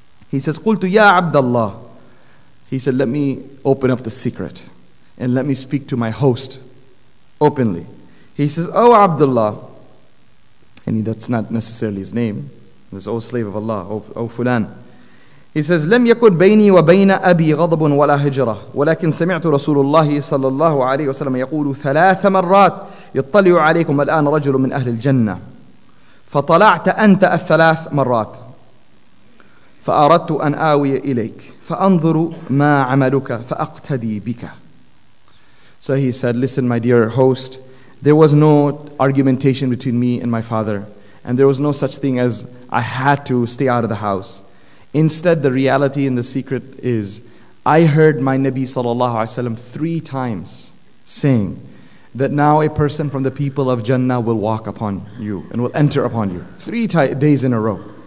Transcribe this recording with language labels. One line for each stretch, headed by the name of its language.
English: He says,
Arabic: قُلْتُ يَا عَبْدَ اللَّهِ.
English: He said, let me open up the secret and let me speak to my host openly. He says, oh Abdullah, and that's not necessarily his name, this old slave of Allah, oh fulan. He says,
Arabic: لم يكن بيني وبين أبي غضب ولا هجرة ولكن سمعت رسول الله صلى الله عليه وسلم يقول ثلاث مرات يطلع عليكم الآن رجل من أهل الجنة فطلعت أنت الثلاث مرات فأردت أن آوي إليك فأنظر ما عملك فأقتدي بك.
English: So he said, listen, my dear host, there was no argumentation between me and my father, and there was no such thing as I had to stay out of the house. Instead, the reality and the secret is, I heard my Nabi sallallahu alaihi wasallam 3 times saying that now a person from the people of Jannah will walk upon you and will enter upon you 3 days in a row.